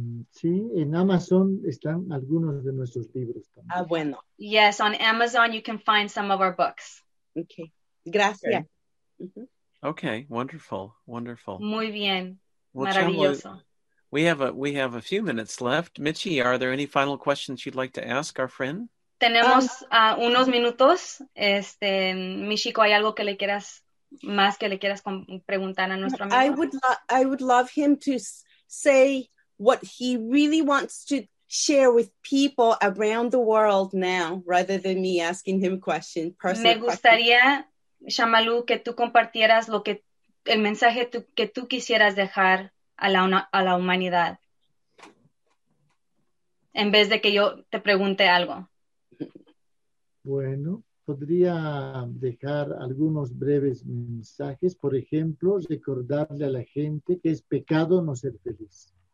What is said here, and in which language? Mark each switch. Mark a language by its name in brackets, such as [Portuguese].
[Spanish] Sí, en Amazon están algunos de nuestros libros también. Ah, bueno. [English] Yes, on Amazon you can find some of our books. [Spanish] Okay, gracias. [English] Okay, wonderful, wonderful. [Spanish] Muy bien. Well, maravilloso. [English] Chamo, we have a few minutes left. Michi, are there any final questions you'd like to ask our friend? [Spanish] Tenemos unos minutos. Este, Michiko, ¿hay algo que le quieras más que le quieras preguntar a nuestro amigo? [English] I would love him to say what he really wants to share with people around the world now, rather than me asking him questions. [Spanish] Me gustaría, Shamalu, que tú compartieras lo que el mensaje que tú quisieras dejar a la humanidad en vez de que yo te pregunte algo. Bueno, podría dejar algunos breves mensajes, por ejemplo, recordarle a la gente que es pecado no ser feliz.